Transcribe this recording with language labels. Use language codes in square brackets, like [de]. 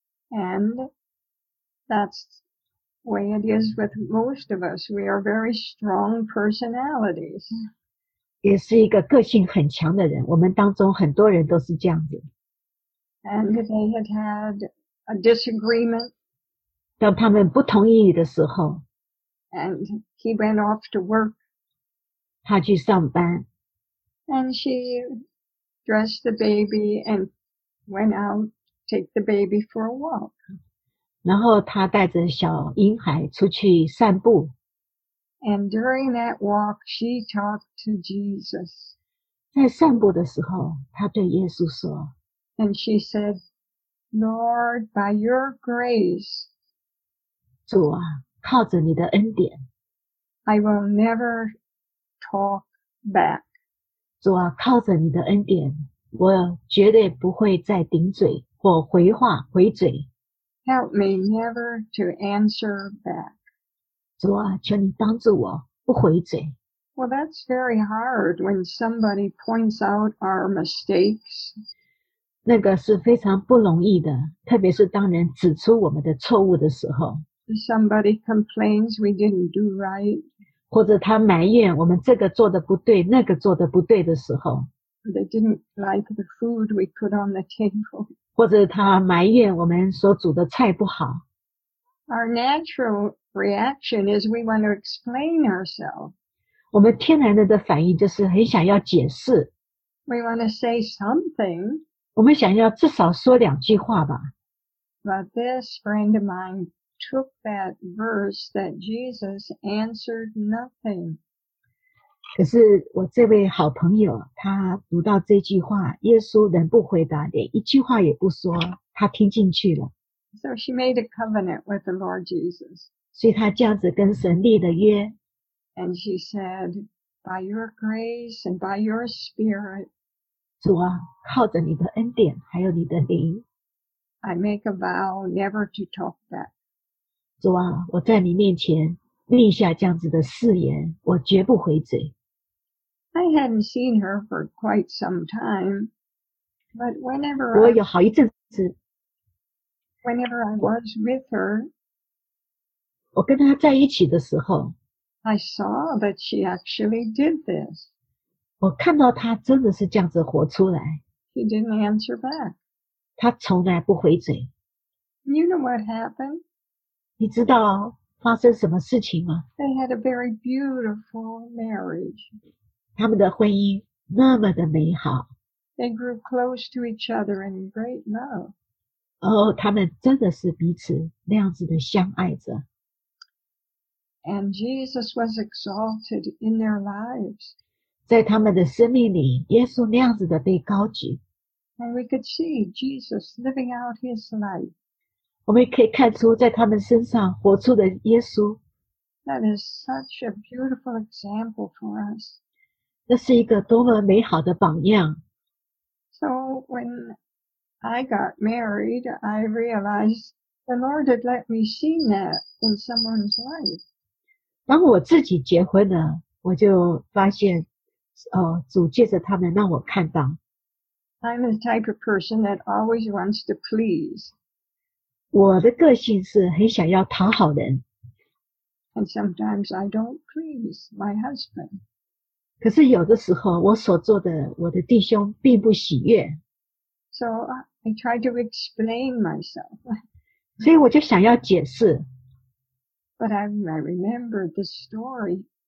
[en] And that's the way it is with most of us. We are very strong personalities. [zh] 也是一个个性很强的人，我们当中很多人都是这样子。 [en] And they had had a disagreement. [zh] 当他们不同意的时候。 [en] And he went off to work. [zh] 他去上班。 [en] And she dressed the baby and went out to take the baby for a walk. [zh] 然后她带着小婴孩出去散步。 [en] And during that walk, she talked to Jesus. [zh] 在散步的时候，她对耶稣说。 [en] And she said, Lord, by your grace, [zh] 主啊，靠着你的恩典， [en] I will never talk back. [zh] 主啊，靠着你的恩典，我绝对不会再顶嘴或回话回嘴。 [en] Help me never to answer back. [zh] 主啊，求你帮助我不回嘴。 [en] Well, that's very hard when somebody points out our mistakes. [zh] 那个是非常不容易的，特别是当人指出我们的错误的时候。 [en] Somebody complains we didn't do right. [zh] 或者他埋怨我们这个做的不对，那个做的不对的时候。 [en] They didn't like the food we put on the table. [zh] 或者他埋怨我们所煮的菜不好。 [en] Our natural reaction is we want to explain ourselves. [zh] 我们天然的反应就是很想要解释。 [en] We want to say something. [zh] 我们想要至少说两句话吧。 [en] But this friend of mine,took that verse that Jesus answered nothing. [zh] 可是我这位好朋友他读到这句话耶稣仍不回答连一句话也不说他听进去了。 [en] So she made a covenant with the Lord Jesus. [zh] 所以他这样子跟神立了约。 [en] And she said, by your grace and by your spirit, [zh] 主啊靠着你的恩典还有你的灵。 [en] I make a vow never to talk back. [zh] 主啊，我在你面前立下这样子的誓言，我绝不回嘴。 [en] I hadn't seen her for quite some time, but whenever [zh] 我有好一阵子 [en] ，whenever I was with her, [zh] 我跟她在一起的时候 [en] ，I saw that she actually did this. [zh] 我看到她真的是这样子活出来。 [en] She didn't answer back. [zh] 她从来不回嘴。 [en] You know what happened? [zh] 你知道发生什么事情吗 [en] ?They had a very beautiful marriage. [zh] 他们的婚姻那么的美好。 [en] They grew close to each other in great love. [zh] 哦他们真的是彼此那样子的相爱着。 [en] And Jesus was exalted in their lives. [zh] 在他们的生命里耶稣那样子的被高举。 [en] And we could see Jesus living out his life. [zh] 我们可以看出在他们身上活出的耶稣。 [en] That is such a beautiful example for us. [zh] 那是一个多么美好的榜样。 [en] So when I got married, I realized the Lord had let me see that in someone's life. [zh] 当我自己结婚了，我就发现，主借着他们让我看到。 [en] I'm the type of person that always wants to please. [zh] 我的个性是很想要讨好人。 [en] And sometimes I don't please my husband. [zh] 可是有的时候我所做的我的弟兄并不喜悦。 [en] So I try to explain myself. [zh] 所以我就想要解释。 [en] But I remember the story.